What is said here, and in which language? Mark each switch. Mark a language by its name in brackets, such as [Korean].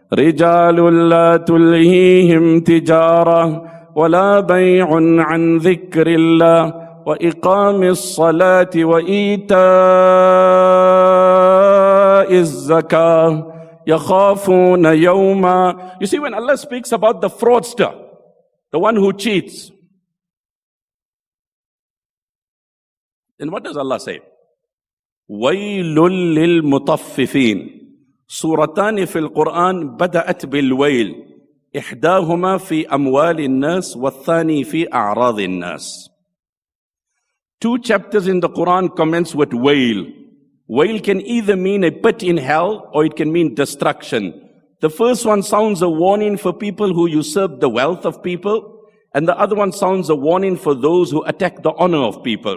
[Arabic] رِجَالٌ لَا تُلْهِيهِمْ تِجَارَةٌ ولا بيع عن ذكر الله وإقام الصلاة وإيتاء الزكاة يخافون يوما [English] You see, when Allah speaks about the fraudster, the one who cheats, then what does Allah say? [Arabic] ويل للمطففين سورتان في القرآن بدأت بالويل إحداهما في أموال الناس والثاني في أعراض الناس. [English] Two chapters in the Quran commence with wail. Wail can either mean a pit in hell or it can mean destruction. The first one sounds a warning for people who usurp the wealth of people. And the other one sounds a warning for those who attack the honor of people.